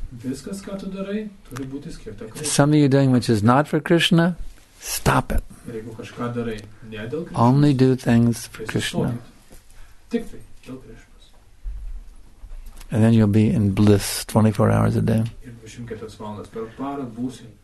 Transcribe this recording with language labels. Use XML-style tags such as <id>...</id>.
<lt>Viskas, ką tu darai, turi būti skirta Krishna.</lt> <en>Something you're doing which is not for Krishna, stop it.</en> <lt>Ir jeigu kažką darai, ne dėl Krishna,</lt> <en>only do things for Krishna.</en> <lt>Tik tai dėl Krishnas.</lt> <en>And then you'll be in bliss 24 hours a day.</en> <lt>Ir 24 valandas per parą būsi.</lt>